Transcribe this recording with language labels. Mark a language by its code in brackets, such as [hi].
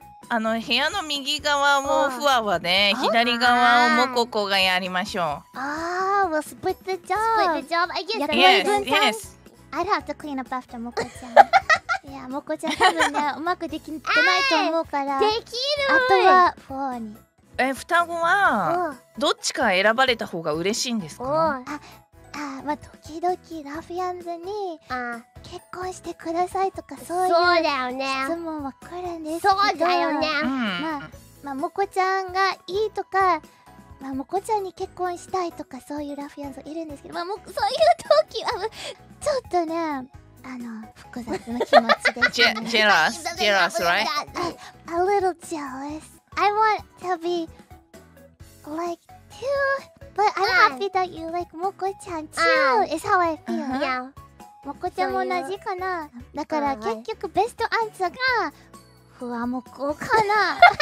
[ja] あの部屋の右側をふわふわで左側をモココがやりましょう。ああ、もうスプリットジョブ。スプリットジョブ。 [en] Yes, yes, yes. I'd have to clean up after モコちゃん。 [ja] いやモコちゃん多分ねうまくできてないと思うから。できる。あとはフォーに。え、双子はどっちか選ばれた方が嬉しいんですか。あ、まあ時々ラフィアンズに結婚してくださいとかそういう質問は来るんですけど、そうだよね、うん、まあ、もこちゃんがいいとか、まあ、もこちゃんに結婚したいとかそういうラフィアンズいるんですけど、まあ、そういう時はちょっとね、あの複雑な気持ちですジェラス、 right? [en] A little jealousI want to be like too, but I'm happy that you like Moko-chan too. Is how I feel. Uh-huh. Yeah. [ja] Moko-chan も同じかな。だから結局ベストアンサーがふわもこかな。